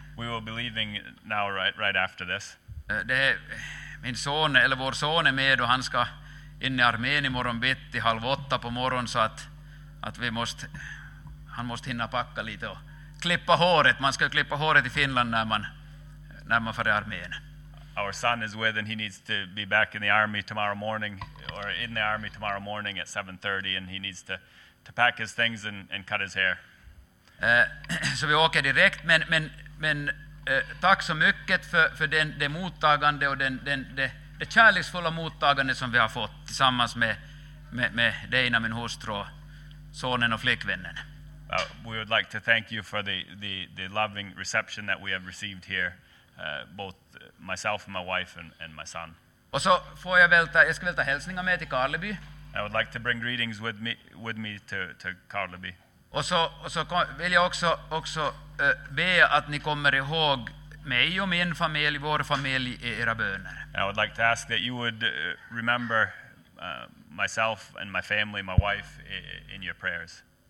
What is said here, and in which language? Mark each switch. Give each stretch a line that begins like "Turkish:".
English: We will be leaving now right after this.
Swedish: Min son eller vår son är med och han ska in i armén imorgon bitti 7:30 på morgon, så att vi måste, han måste hinna packa lite och klippa håret. Man ska klippa håret i Finland när man för i armén.
English: Our son is with and he needs to be back in the army tomorrow morning, or in the army tomorrow morning at 7:30, and he needs to pack his things and cut his hair.
Swedish: Så vi åker direkt, men tack så mycket för det mottagande och det kärleksfulla mottagande som vi har fått tillsammans med Deina, min hustru, sonen och flickvännen.
English: We would like to thank you for the loving reception that we have received here, both myself and my wife and my son.
Swedish: Och så får jag ska väl ta hälsningar med till Karleby.
English: I would like to bring greetings with me to Karleby.
Swedish: Och så vill jag också be att ni kommer ihåg mig och min familj, vår familj, i era böner.
English: I would like to ask that you would remember myself and my family, my wife, in your prayers.